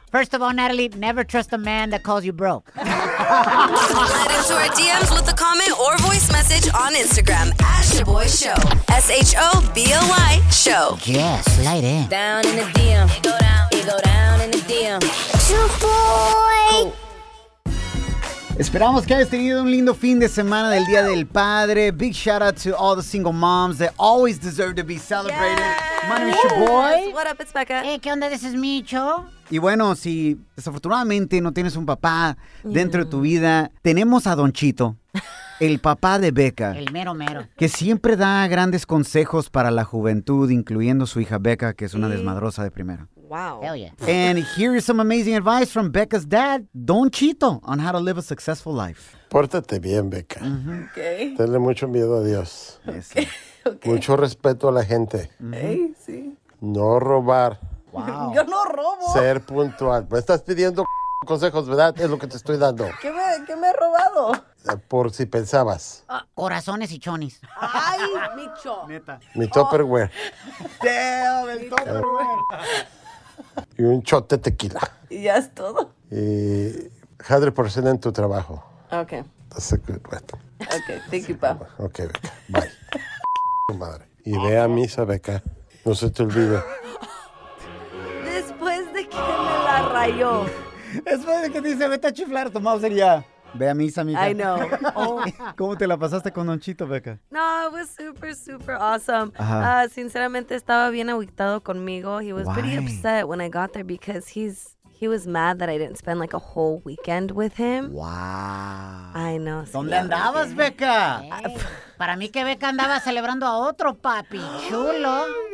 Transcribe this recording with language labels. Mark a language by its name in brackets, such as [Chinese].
[English] First of all, Natalie, never trust a man that calls you bro. Slide into our DMs with a comment or voice message on Instagram at Shaboy Show. S-H-O-B-O-Y Show. Yeah, slide in. Down in the DM. It go down in the DM. Shaboy. [Spanish] Esperamos que hayas tenido un lindo fin de semana del Día del Padre. [English] Big shout out to all the single moms that always deserve to be celebrated. Yes. My name is your boy. What up, it's Becca. Hey, [Spanish] ¿qué onda? [English] This is Micho. [Spanish] Y bueno, si desafortunadamente no tienes un papá dentro de tu vida, tenemos a Don Chito, el papá de Becca. El mero mero. Que siempre da grandes consejos para la juventud, incluyendo su hija Becca, que es una desmadrosa de primera. [English] Wow. Hell yeah. And here is some amazing advice from Becca's dad, Don Chito, on how to live a successful life. [Spanish] Pórtate bien, Becca. [English] Mm-hmm. Okay. [Spanish] Tenle mucho miedo a Dios. [English] Okay. [Spanish] Mucho respeto a la gente. Mm-hmm. Hey, sí. No robar. Wow. Yo no robo. Ser puntual. Me estás pidiendo consejos, ¿verdad? Es lo que te estoy dando. ¿Qué me he robado? Por si pensabas. Corazones y chonis. Ay, Micho. Neta. Mi Tupperware. Damn, el Tupperware. Y un shot de tequila. Y ya es todo. Y 100% en tu trabajo. [English] Ok. That's a good one. Ok, thank you, pa. [Spanish] Ok, Becca. Bye. Madre. Y ve a misa, Becca. No se te olvide. Después de que me la rayó. Después de que dice, vete a chiflar, tu mouse sería. Ve a misa, mija. [English] I know. [Spanish] ¿Cómo te la pasaste con Don Chito, Becca? [English] No, it was super, super awesome. [Spanish] Sinceramente, estaba bien agüitado conmigo. [English] He was pretty upset when I got there because he was mad that I didn't spend like a whole weekend with him. Wow. I know. [Spanish] ¿Dónde andabas, Becca? Para mí que Becca andaba celebrando a otro papi chulo.